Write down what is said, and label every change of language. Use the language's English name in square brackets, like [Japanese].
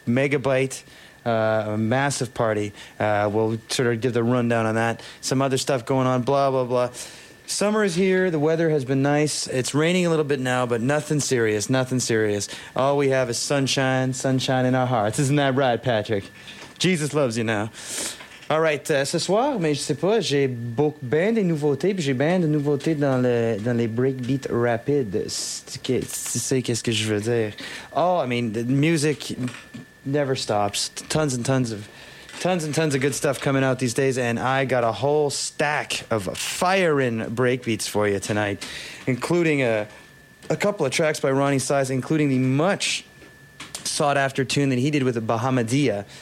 [English] Megabyte, a massive party. We'll sort of give the rundown on that. Some other stuff going on, blah, blah, blah. Summer is here. The weather has been nice. It's raining a little bit now, but nothing serious, nothing serious. All we have is sunshine, sunshine in our hearts. Isn't that right, Patrick? Jesus loves you now. All right, [French] ce soir, mais je sais pas, j'ai beaucoup bien des nouveautés, puis j'ai bien de nouveautés dans les breakbeat rapides. Tu sais qu'est-ce que je veux dire? [English] Oh, I mean, the music never stops. Tons and tons of good stuff coming out these days, and I got a whole stack of firing breakbeats for you tonight, including a couple of tracks by Ronnie Size, including the much sought-after tune that he did with a Bahamadia.